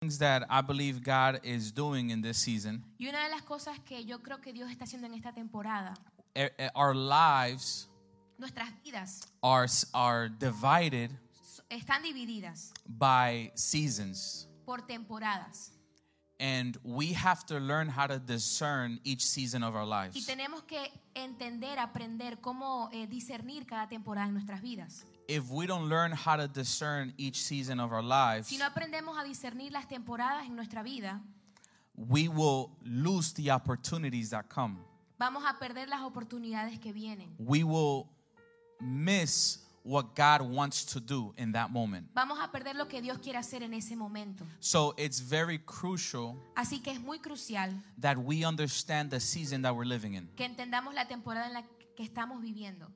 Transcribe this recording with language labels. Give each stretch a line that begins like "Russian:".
English: Things that I believe God is doing in this season.
Spanish: Y una de las cosas que yo creo que Dios está haciendo en esta temporada.
English: Our lives.
Spanish: Nuestras vidas.
English: Are divided.
Spanish: Están divididas.
English: By seasons.
Spanish: Por temporadas.
English: And we have to learn how to discern each season of our lives.
Spanish: Y tenemos que entender, aprender cómo discernir cada temporada en nuestras vidas.
English: If we don't learn how to discern each season of our lives,
Spanish: si no aprendemos a discernir las temporadas en nuestra vida,
English: we will lose the opportunities that come.
Spanish: Vamos a perder las oportunidades que vienen.
English: We will miss what God wants to do in that moment.
Spanish: Vamos a perder lo que Dios quiere hacer en ese momento.
English: So it's very crucial.
Spanish: Así que es muy crucial
English: that we understand the season that we're living in.
Spanish: Que entendamos la temporada en la que estamos viviendo.